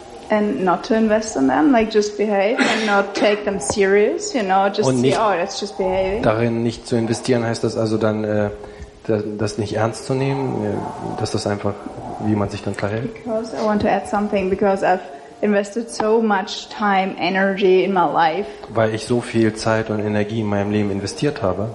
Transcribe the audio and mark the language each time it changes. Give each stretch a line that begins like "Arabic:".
English: and not to invest in them, like just behave and not take them serious, you know, just
German: und
English: see, oh, that's just behaving.
German: Darin nicht zu investieren heißt das also dann, das nicht ernst zu nehmen, dass das einfach, wie man sich dann verhält.
English: Because I want to add something, because I've invested so much time, energy in my life.
German: Weil ich so viel Zeit und Energie in meinem Leben investiert habe.